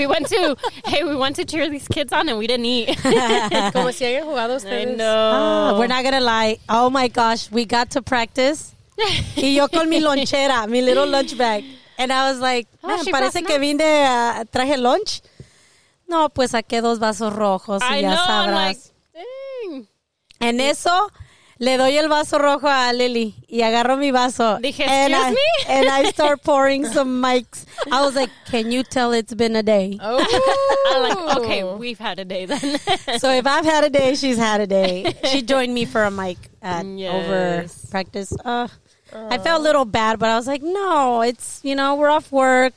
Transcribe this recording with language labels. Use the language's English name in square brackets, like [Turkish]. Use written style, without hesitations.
[English] We went to cheer these kids on and we didn't eat. [Spanish] Como si hayan jugado ustedes. No. [English] Oh, we're not going to lie. Oh my gosh, we got to practice. [Spanish] Y yo con mi lonchera, [English] mi little lunch bag. And I was like, man, [Spanish] parece que vine, traje [English] lunch. [Spanish] No, pues saqué dos vasos rojos y ya sabrás. [English] I know, I'm like, dang. [Spanish] En eso, le doy el vaso rojo a Lily y agarro mi vaso. Dije, [English] excuse me. And I start pouring some mics. I was like, can you tell it's been a day? Oh. I'm like, okay, we've had a day then. So if I've had a day, she's had a day. She joined me for a mic over practice. I felt a little bad, but I was like, no, it's, you know, we're off work.